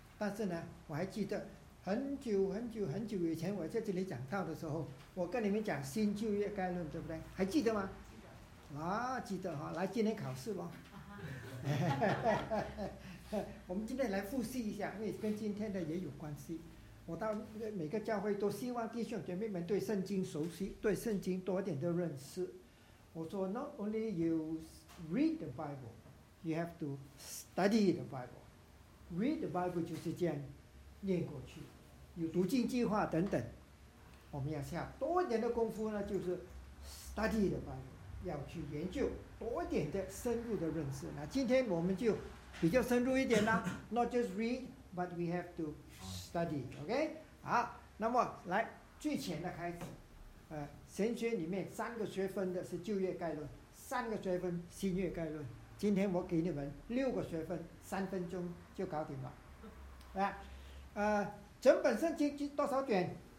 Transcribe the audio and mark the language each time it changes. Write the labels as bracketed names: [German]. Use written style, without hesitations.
[Chinese] 但是呢，我还记得很久以前我在这里讲到的时候，我跟你们讲新旧约概论，对不对？还记得吗？啊，记得哈，来今天考试咯。我们今天来复习一下，因为跟今天的也有关系。我到每个教会都希望弟兄姐妹们对圣经熟悉，对圣经多点的认识。我说 [English] ，Not only you read the Bible, you have to study the Bible. Read the Bible [Chinese] 就是这样念过去，有读经计划等等。我们要下多一点的功夫呢，就是 [English] study the Bible。 [Chinese] 要去研究多一点的深入的认识。那今天我们就比较深入一点啦， [English] Not just read, but we have to study. [Chinese] OK? 好，那么来最浅的开始。神学里面三个学分的是旧约概论，三个学分新约概论。今天我给你们六个学分，三分钟就搞定了。来，整本圣经多少卷？